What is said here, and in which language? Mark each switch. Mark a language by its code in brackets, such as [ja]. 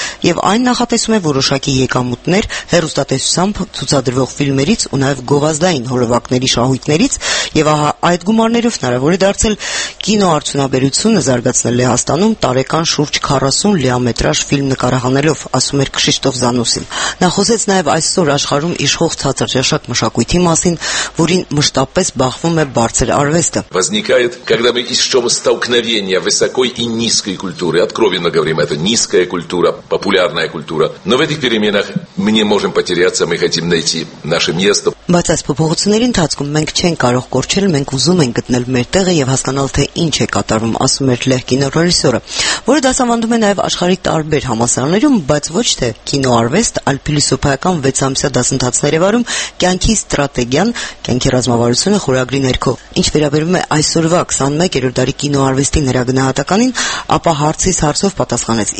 [hy] եւ այն նախատեսում է որոշակի եկամուտներ հեռուստատեսությամբ ցուցադրվող ֆիլմերից ու նաեւ գովազդային հոլովակների շահույթներից, եւ ահա այդ գումարներով հնարավոր է դարձել կինոարդյունաբերությունը զարգացնել Լեհաստանում տարեկան շուրջ 40 լիամետրաժ ֆիլմ նկարահանելով, ասում էր Քրիշտոֆ Զանուսին։ Նա խոսեց նաև այսօր աշխարհում իշխող ցածր ճաշակ մշակույթի մասին, որին մշտապես բախվում է բարձր արվեստը։ [ru] Возникает, когда мы ищем столкновения высокой и низкой культуры. Откровенно говорим, это низкая культура, популярная культура. Но в этих переменах мы не можем потеряться, мы хотим найти наше место. [hy] Բայց այս փոփոխությունների ընթացքում մենք չենք կարող կորչել, մենք ուզում ենք գտնել մեր տեղը եւ հասկանալ, թե ինչ է կատարվում, ասում էր լեհ կինոռեժիսորը, որը դասավանդում է նաև աշխարհի տարբեր համասարաներում, բայց ոչ թե կինոարվեստ, այլ փիլիսոփայական 6-ամսյա դասընթացների վարում կյանքի ստրատեգիան, կյանքի ռազմավարությունը խորագրի ներքո։ Ինչ վերաբերում է այսօրվա 21-րդ դարի կինոարվեստի ներագնահատականին, ապա հարցիս հարցով պատասխանեց.